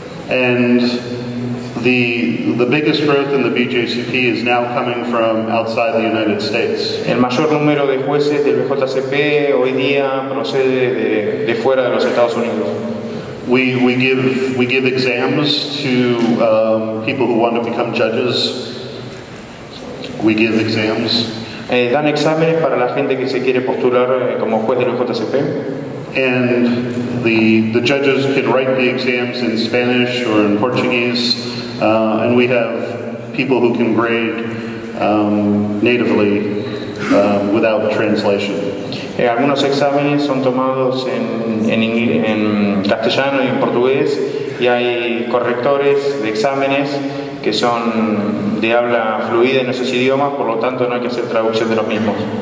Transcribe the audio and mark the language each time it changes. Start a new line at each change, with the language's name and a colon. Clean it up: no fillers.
English: And the biggest growth in the BJCP is now coming from outside the United States.
Spanish: El mayor número de jueces del BJCP hoy día procede de fuera de los Estados Unidos.
English: We give exams to people who want to become judges. We give exams.
Spanish: Dan exámenes para la gente que se quiere postular como juez del BJCP.
English: And the judges can write the exams in Spanish or in Portuguese, and we have people who can grade natively without translation.
Spanish: Algunos exámenes son tomados en castellano y en portugués, y hay correctores de exámenes que son de habla fluida en esos idiomas, por lo tanto no hay que hacer traducción de los mismos.